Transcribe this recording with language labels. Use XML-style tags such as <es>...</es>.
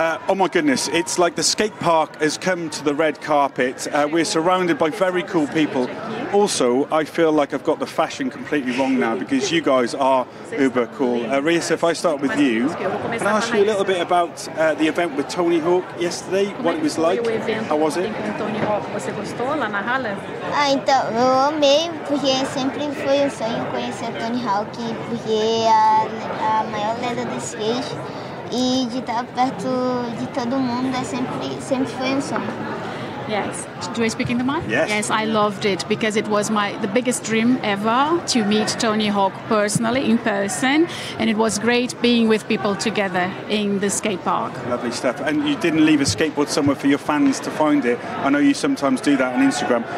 <en>Oh my goodness, it's like the skate park has come to the red carpet. We're surrounded by very cool people. Also, I feel like I've got the fashion completely wrong now because you guys are uber cool. Reese, if I start with you, can I ask you a little bit about the event with Tony Hawk yesterday, what it was like? How was it?</en> <pt>Ah, então, eu amei, porque sempre foi um sonho conhecer Tony Hawk, porque a maior lenda do skate e de estar perto de todo mundo sempre foi um sonho.</pt> <en>Yes. Do I speak in the mic? Yes. Yes, I loved it because it was the biggest dream ever to meet Tony Hawk personally, in person. And it was great being with people together in the skate park. Lovely stuff. And you didn't leave a skateboard somewhere for your fans to find it. I know you sometimes do that on Instagram.</en>